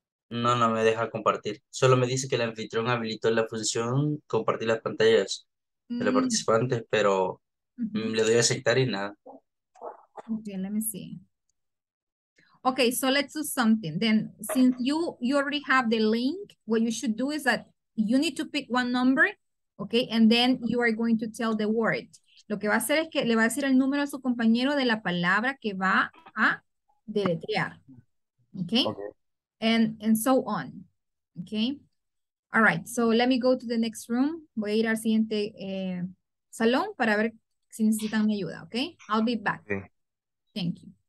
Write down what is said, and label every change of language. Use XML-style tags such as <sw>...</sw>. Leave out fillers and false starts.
<es>No me deja compartir. Solo me dice que el anfitrión habilitó la función compartir las pantallas de los participantes, pero le doy a aceptar y nada.</es> <en>Okay, let me see. Okay, so let's do something. Then, since you already have the link, what you should do is that you need to pick one number, okay, and then you are going to tell the word.</en> <es>Lo que va a hacer es que le va a decir el número a su compañero de la palabra que va a deletrear.</es> <en>Okay? And so on. Okay? All right, so let me go to the next room.</en> <es>Voy a ir al siguiente salón para ver si necesitan mi ayuda, okay?</es> <en>I'll be back. Okay. Thank you.</en>